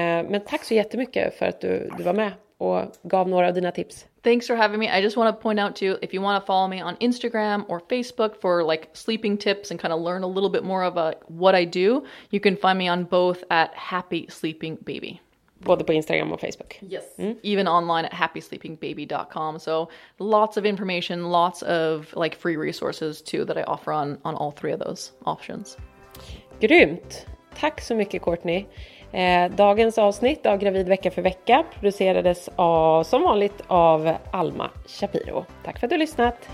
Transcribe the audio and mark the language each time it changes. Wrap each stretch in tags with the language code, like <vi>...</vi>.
<sv>Men tack så jättemycket för att du var med och gav några av dina tips.</sv> <en>Thanks for having me. I just want to point out too, if you want to follow me on Instagram or Facebook for like sleeping tips and kind of learn a little bit more of what I do, you can find me on both at Happy Sleeping Baby.</en> <sv>Både på Instagram och Facebook.</sv> <en>Yes. Mm. Even online at happysleepingbaby.com. So lots of information, lots of like free resources too that I offer on all three of those options.</en> <sv>Grymt. Tack så mycket, Courtney. Dagens avsnitt av Gravid vecka för vecka producerades som vanligt av Alma Shapiro. Tack för att du har lyssnat.</sv>